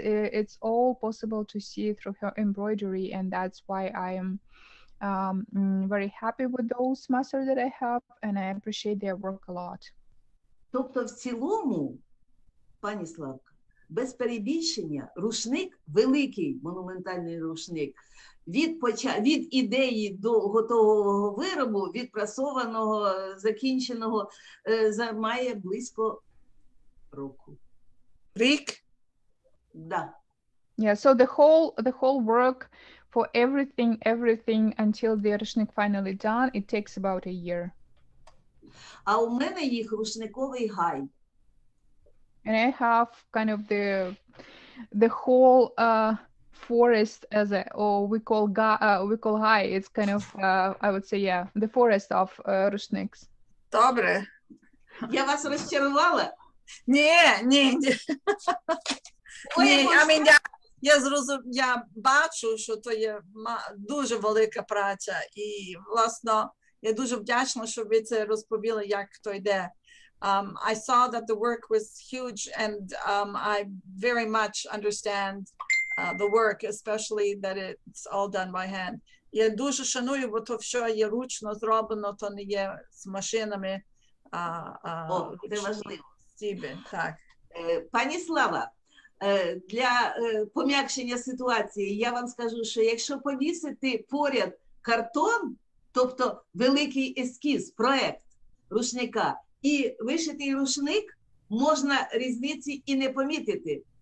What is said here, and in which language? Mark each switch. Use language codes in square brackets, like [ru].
[en] It's all possible to see through her embroidery, and that's why I am very happy with those masters that I have, and I appreciate their work a lot. [uk] Тобто в цілому, пані Славка, без перебільшення, рушник, великий монументальний рушник, від ідеї до готового виробу, відпрасованого, закінченого, займає близько року. Рік? Да. [en] Yeah, so the whole work for everything until the рушник finally done, it takes about a year. [uk] А у мене їх рушниковий гай. [en] And I have kind of the whole forest as a, or we call гай, it's kind of I would say, yeah, the forest of рушниks. [uk] Добре. Я вас розчарувала? Ні. Ой, а мені я зрозумів, я бачу, що то є дуже велика праця, і власно я дуже вдячна, що ви це розповіли, як то йде. [en] I saw that the work was huge, and I very much understand the work, especially that it's all done by hand. [uk] Я дуже шаную, бо то все є ручно зроблено, то не є з машинами. Важливо. Так. Пані Слава. Для пом'якшення ситуації я вам скажу, що якщо повісити поряд картон, тобто великий ескіз, проект рушника, і вишитий рушник, можна різниці і не помітити.